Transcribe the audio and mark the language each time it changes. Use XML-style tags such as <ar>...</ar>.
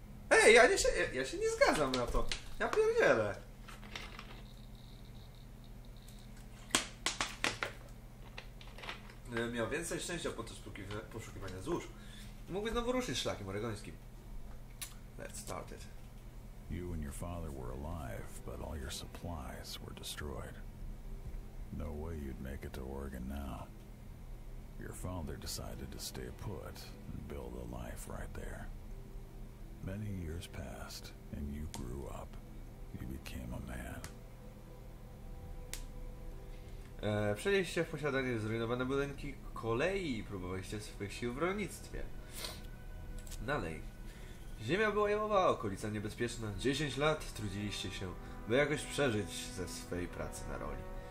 <pl>Ej, ja się nie zgadzam na to. Ja pierdzielę. Gdybym miał więcej szczęścia podczas poszukiwania złóż, mógłby znowu ruszyć szlakiem oregońskim.</pl> <en>Let's start it. You and your father were alive, but all your supplies were destroyed. No way you'd make it to Oregon now. Your father decided to stay put and build a life right there. Many years passed, and you grew up. You became a man.</en> <pl>Przejęliście w posiadanie zrujnowane budynki kolei i próbowaliście swych sił w rolnictwie. Dalej. Ziemia była jałowa, okolica niebezpieczna. 10 lat trudziliście się, by jakoś przeżyć ze swej pracy na roli.</pl>